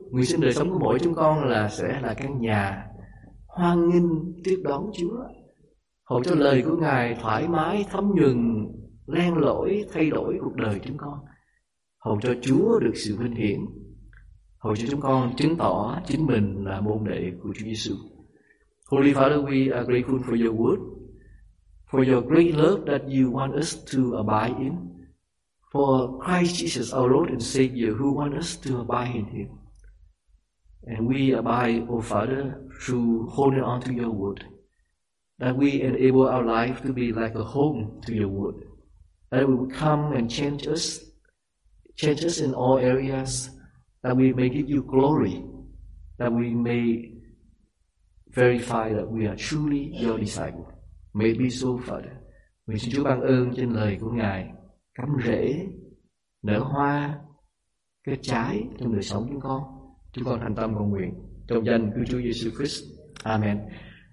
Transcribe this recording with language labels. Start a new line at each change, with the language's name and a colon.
Vietnamese: Nguyện xin đời sống của mỗi chúng con là sẽ là căn nhà hoan nghênh tiếp đón Chúa, hầu cho lời của Ngài thoải mái thấm nhuần, len lỏi thay đổi cuộc đời chúng con, hầu cho Chúa được sự vinh hiển, hầu cho chúng con chứng tỏ chính mình là môn đệ của Chúa Giêsu.
English: Holy Father, we are grateful for your word, for your great love that you want us to abide in, for Christ Jesus, our Lord and Savior, who want us to abide in him. And we abide, O Father, through holding on to your word, that we enable our life to be like a home to your word, that it will come and change us in all areas, that we may give you glory, that we may verify that we are truly your disciple. May it be so, Father.
Vietnamese: Mình xin Chúa ban ơn trên lời của Ngài cắm rễ, nở hoa, kết trái trong đời sống chúng con. Chúng con thành tâm cầu nguyện trong danh của Chúa Giêsu Christ. Amen.